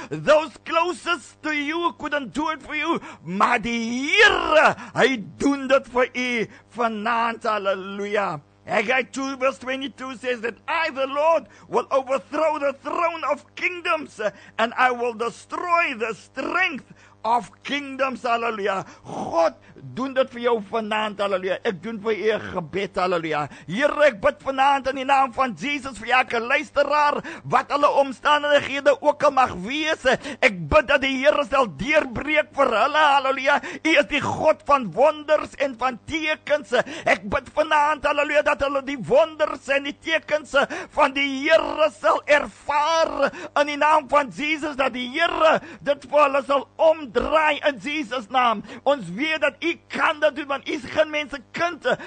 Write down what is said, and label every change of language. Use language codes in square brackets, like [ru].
[en] Those closest to you couldn't do it for you. [af] Maar die Here, hy doen dit vir u vanaand, hallelujah. [en] Haggai 2 verse 22 says that I, the Lord, will overthrow the throne of kingdoms and I will destroy the strength of kingdoms, hallelujah. [af] God doen dit vir jou vanaand, halleluja. Ek doen vir u gebed, halleluja. Here, ek bid vanaand in die naam van Jesus vir elke luisteraar, wat hulle omstandighede ook al mag wees. Ek bid dat die Here sal deurbreek vir hulle, halleluja. U is die God van wonders en van tekens. Ek bid vanaand, halleluja, dat hulle die wonders en die tekens van die Here sal ervaar in die naam van Jesus, dat die Here dit vir hulle sal omdraai in Jesus naam. Ons weet dat U kan dat doen, want U is geen mensenkind.